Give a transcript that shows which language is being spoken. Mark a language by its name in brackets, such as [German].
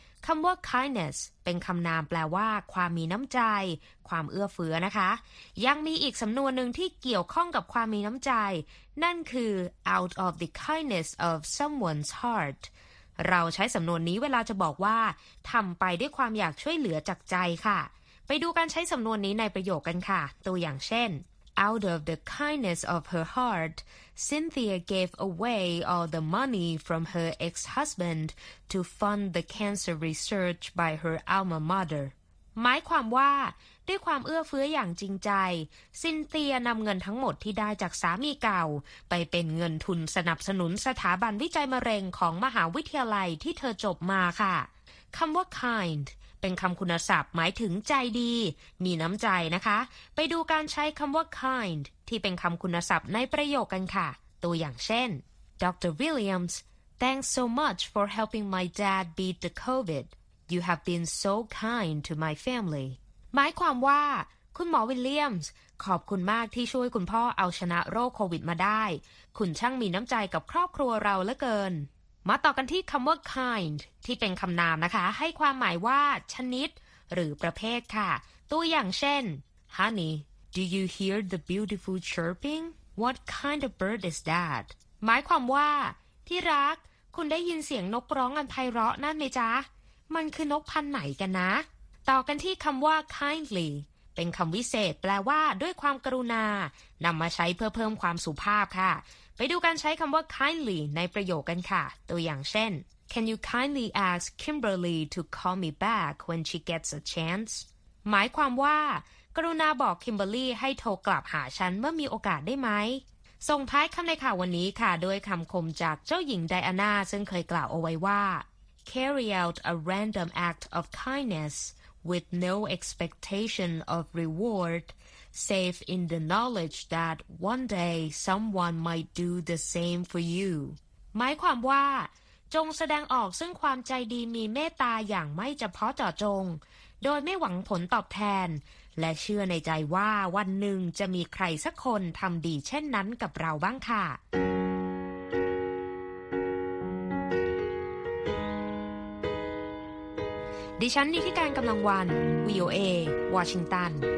[Thai] คำว่า kindness เป็นคำนามแปลว่าความมีน้ำใจความเอื้อเฟื้อนะคะยังมีอีกสำนวนหนึ่งที่เกี่ยวข้องกับความมีน้ำใจนั่นคือ [English] out of the kindness of someone's heart [Thai] เราใช้สำนวนนี้เวลาจะบอกว่าทำไปด้วยความอยากช่วยเหลือจากใจค่ะไปดูการใช้สำนวนนี้ในประโยคกันค่ะตัวอย่างเช่น [English] out of the kindness of her heart, Cynthia gave away all the money from her ex-husband to fund the cancer research by her alma mater. [Thai] หมายความว่าด้วยความเอื้อเฟื้ออย่างจริงใจซินเธียนำเงินทั้งหมดที่ได้จากสามีเก่าไปเป็นเงินทุนสนับสนุนสถาบันวิจัยมะเร็งของมหาวิทยาลัยที่เธอจบมาค่ะคำว่า kindเป็นคำคุณศัพท์หมายถึงใจดีมีน้ำใจนะคะไปดูการใช้คำว่า kind ที่เป็นคำคุณศัพท์ในประโยคกันค่ะตัวอย่างเช่น [English] Dr. Williams, thanks so much for helping my dad beat the COVID. You have been so kind to my family. [Thai] หมายความว่าคุณหมอวิลเลียมส์ขอบคุณมากที่ช่วยคุณพ่อเอาชนะโรคโควิดมาได้คุณช่างมีน้ำใจกับครอบครัวเราเหลือเกินมาต่อกันที่คำว่า kind ที่เป็นคำนามนะคะให้ความหมายว่าชนิดหรือประเภทค่ะตัวอย่างเช่น [English] Honey, do you hear the beautiful chirping? What kind of bird is that? [Thai] หมายความว่าที่รักคุณได้ยินเสียงนกร้องอันไพเราะนั่นไหมจ๊ะมันคือนกพันธุ์ไหนกันนะต่อกันที่คำว่า kindly เป็นคำวิเศษแปลว่าด้วยความกรุณานำมาใช้เพื่อเพิ่มความสุภาพค่ะไปดูการใช้คำว่า kindly ในประโยคกันค่ะตัวอย่างเช่น [English] Can you kindly ask Kimberly to call me back when she gets a chance? [Thai] หมายความว่ากรุณาบอก Kimberly ให้โทรกลับหาฉันเมื่อมีโอกาสได้ไหมส่งท้ายคำในข่าววันนี้ค่ะด้วยคำคมจากเจ้าหญิงไดอาน่าซึ่งเคยกล่าวเอาไว้ว่า [English] Carry out a random act of kindness with no expectation of reward. Safe in the knowledge that one day someone might do the same for you. [Thai] หมายความว่าจงแสดงออกซึ่งความใจดีมีเมตตาอย่างไม่เฉพาะเจาะจงโดยไม่หวังผลตอบแทนและเชื่อในใจว่าวันหนึ่งจะมีใครสักคนทำดีเช่นนั้นกับเราบ้างค่ะดิฉันนิธิการกำลังวัน VOA วอชิงตัน